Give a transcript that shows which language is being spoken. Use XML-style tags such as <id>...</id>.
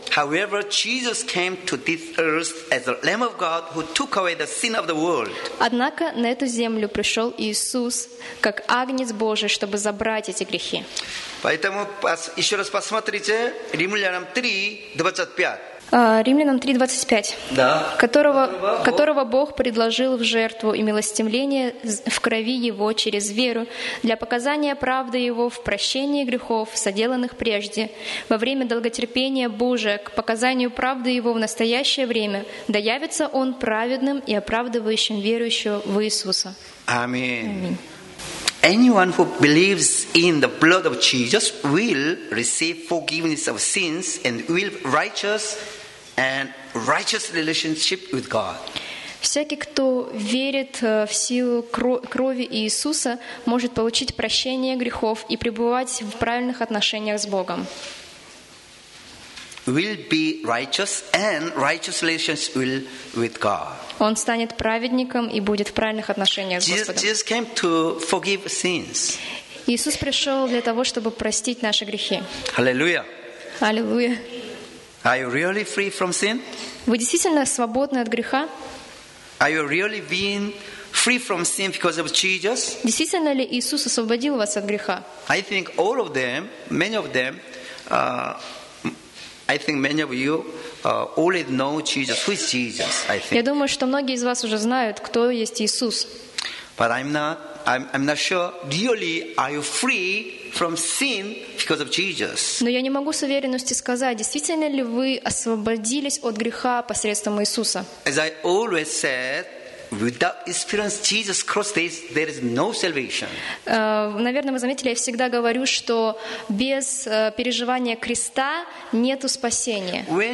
<en>However, Jesus came to this earth as the Lamb of God who took away the sin of the world.</en> <ru>Однако на эту землю пришел Иисус как Агнец Божий, чтобы забрать эти грехи. Поэтому еще раз посмотрите Римлянам 3:25. Римлянам 3:25, да. которого Бог предложил в жертву и милостивление в крови Его через веру для показания правды Его в прощении грехов, соделанных прежде, во время долготерпения Божия к показанию правды Его в настоящее время, да явится Он праведным и оправдывающим верующего в Иисуса. Аминь.</ru> <en>Anyone who believes in the blood of Jesus will receive forgiveness of sins and will righteous relationship with God.</en> <ru>Всякий, кто верит в силу крови Иисуса, может получить прощение грехов и пребывать в правильных отношениях с Богом.</ru> <en>Will be righteous and righteous relations will with God.</en> <ru>Он станет праведником и будет в правильных отношениях с Господом.</ru> <en>Jesus came to forgive sins.</en> <ru>Иисус пришел для того, чтобы простить наши грехи. Аллилуйя. Аллилуйя.</ru> <en>Are you really free from sin?</en> <ru>Вы действительно свободны от греха?</ru> <en>Are you really being free from sin because of Jesus?</en> <ru>Действительно ли Иисус освободил вас от греха?</ru> <en>I think all of them, many of them, I think many of you already know Jesus. Who is Jesus? I think.</en> <ru>Я думаю, что многие из вас уже знают, кто есть Иисус.</ru> <en>But I'm not sure. Really, are you free from sin because of Jesus?</en> <ru>Но я не могу с уверенностью сказать, действительно ли вы освободились от греха посредством Иисуса.</ru> <en>As I always said, without experience Jesus cross, there is no salvation.</en> <ru>Наверное, вы заметили, я всегда говорю, что без переживания креста нету спасения.</ru>